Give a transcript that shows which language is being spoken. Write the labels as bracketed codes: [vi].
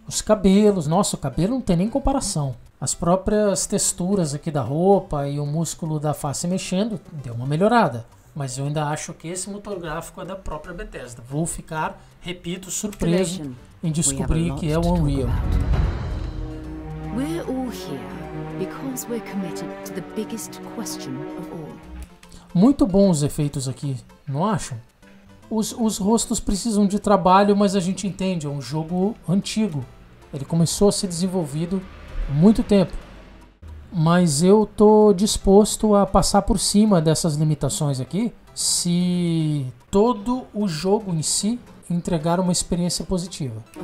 [pt] Os cabelos, nossa, o cabelo não tem nem comparação. As próprias texturas aqui da roupa e o músculo da face mexendo, deu uma melhorada. Mas eu ainda acho que esse motor gráfico é da própria Bethesda. Vou ficar, repito, surpreso em descobrir que é o Unreal. [en] We're all here because we're committed to the biggest question of all. [pt] Muito bons efeitos aqui, não acham? Os rostos precisam de trabalho, mas a gente entende, é um jogo antigo. Ele começou a ser desenvolvido há muito tempo. Mas eu tô disposto a passar por cima dessas limitações aqui se todo o jogo em si entregar uma experiência positiva.